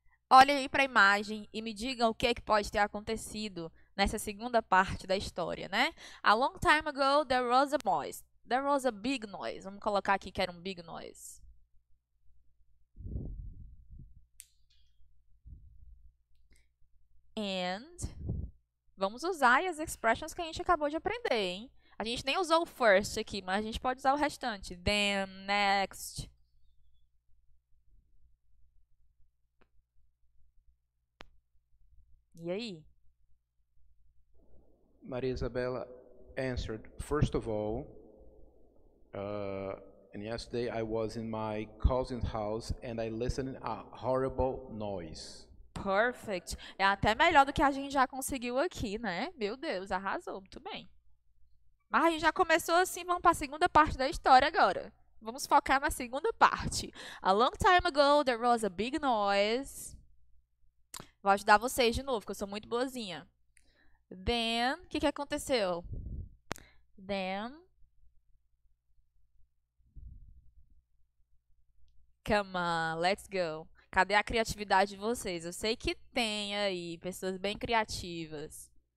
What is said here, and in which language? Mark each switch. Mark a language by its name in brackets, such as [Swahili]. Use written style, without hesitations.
[Portuguese] Olhem aí para a imagem e me digam o que pode ter acontecido nessa segunda parte da história, né? [English] A long time ago, there was a noise. There was a big noise. [Portuguese] Vamos colocar aqui que era um [English] big noise. And [Portuguese] vamos usar as expressions que a gente acabou de aprender, hein? A gente nem usou o first aqui, mas a gente pode usar o restante. [English] Then, next. [Portuguese] E aí? [English] Maria Isabella answered, first of all, and yesterday I was in my cousin's house and I listened to a horrible noise. Perfect. [Portuguese] É até melhor do que a gente já conseguiu aqui, né? Meu Deus, arrasou, muito bem. Mas a gente já começou assim, vamos para a segunda parte da história agora. Vamos focar na segunda parte. [English] A long time ago, there was a big noise. [Portuguese] Vou ajudar vocês de novo, que eu sou muito boazinha. [English] Then, [Portuguese] o que aconteceu? Then. [English] Come on, let's go. [Portuguese] Cadê a criatividade de vocês? Eu sei que tem aí pessoas bem criativas.